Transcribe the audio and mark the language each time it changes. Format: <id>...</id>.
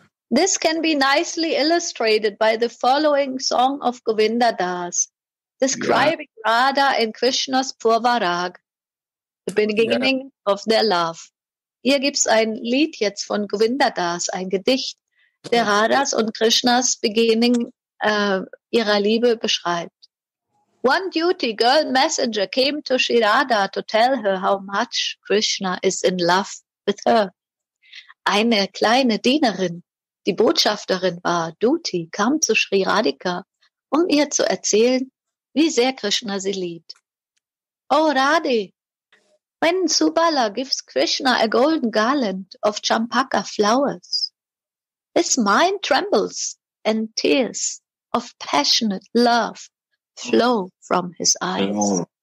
<en>This can be nicely illustrated by the following song of Govinda Das, describing Radha and Krishna's Purvarag, the beginning of their love.</en> <de>Hier gibt's ein Lied jetzt von Govinda Das, ein Gedicht, der Radhas und Krishnas Beginning ihrer Liebe beschreibt.</de> <en>One duty girl messenger came to Shirada to tell her how much Krishna is in love with her.</en> <de>Eine kleine Dienerin, die Botschafterin war, Duty, kam zu Sri Radhika, um ihr zu erzählen, wie sehr Krishna sie liebt.</de> <en>Oh Radhe, when Subala gives Krishna a golden garland of champaka flowers, his mind trembles and tears of passionate love flow from his eyes.</en>